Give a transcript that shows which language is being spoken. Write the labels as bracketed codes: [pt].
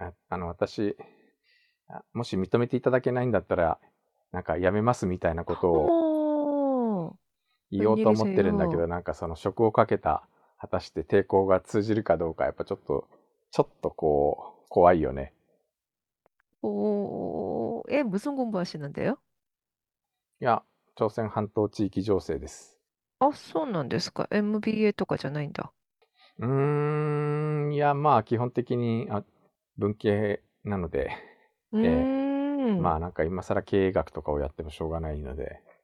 [ja] あの私もし認めていただけないんだったら、なんか辞めますみたいなことを言おうと思ってるんだけど、なんかその職をかけた果たして抵抗が通じるかどうか、やっぱちょっとこう怖いよね。おー、え、 [ko] 무슨 공부 하시는데요? [ja] いや、朝鮮半島地域情勢です。あ、そうなんですか。 MBA とかじゃないんだ。いや、まあ基本的に文系なので、まあなんか今更経営学とかをやってもしょうがないので。